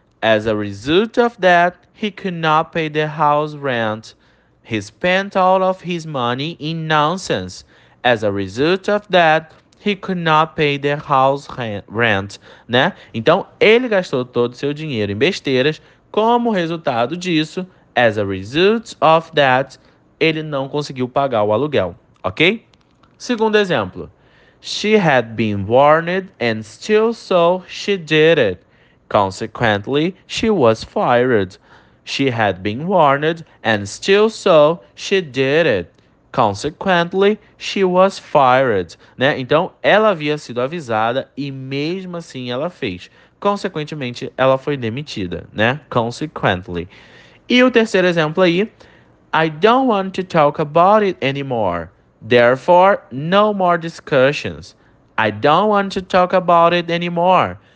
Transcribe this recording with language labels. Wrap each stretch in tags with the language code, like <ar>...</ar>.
<en>As a result of that, he could not pay the house rent. He spent all of his money in nonsense. As a result of that, he could not pay the house rent.</en> <pt>Né? Então, ele gastou todo o seu dinheiro em besteiras. Como resultado disso, as a result of that, ele não conseguiu pagar o aluguel. Ok? Segundo exemplo:</pt> <en>She had been warned and still so she did it. Consequently, she was fired. She had been warned and still so she did it. Consequently, she was fired. Né?</en> <pt>Então, ela havia sido avisada e mesmo assim ela fez. Consequentemente, ela foi demitida, né? Consequently. E o terceiro exemplo aí:</pt> <en>I don't want to talk about it anymore. Therefore, no more discussions. I don't want to talk about it anymore.</en>